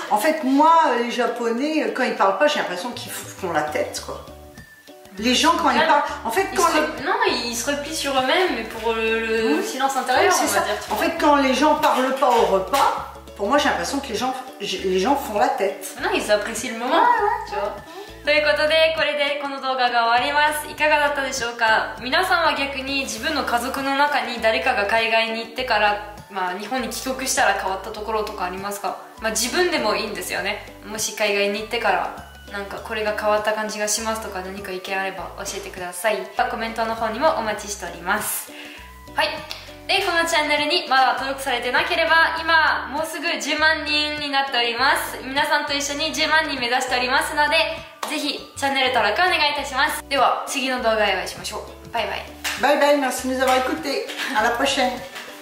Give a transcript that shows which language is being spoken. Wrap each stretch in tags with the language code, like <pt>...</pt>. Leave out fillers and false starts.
<fr>En fait, moi, les Japonais, quand ils parlent pas, j'ai l'impression qu'ils font la tête, quoi. Les gens, quand ils parlent. En fait, quand. Ils se replient sur eux-mêmes, mais pour le silence intérieur, c'est on ça. Va dire. En fait, quand les gens parlent pas au repas, pour moi, j'ai l'impression que les gens font la tête. Non, ils apprécient le moment. Ouais, ouais. Tu vois.</fr> <ja>ということでこれでこの動画が終わります。いかがだったでしょうか。皆さんは逆に自分の家族の中に誰かが海外に行ってから、まあ、日本に帰国したら変わったところとかありますか。まあ、自分でもいいんですよね。もし海外に行ってからなんかこれが変わった感じがしますとか何か意見あれば教えてください。コメントの方にもお待ちしております。はい。で、このチャンネルにまだ登録されてなければ、今、もうすぐ10万人になっております。皆さんと一緒に10万人目指しておりますので、ぜひ、チャンネル登録をお願いいたします。では、次の動画でお会いしましょう。バイバイ。バイバイ、</ja> <fr>merci de nous avoir écouté. À la prochaine.</fr>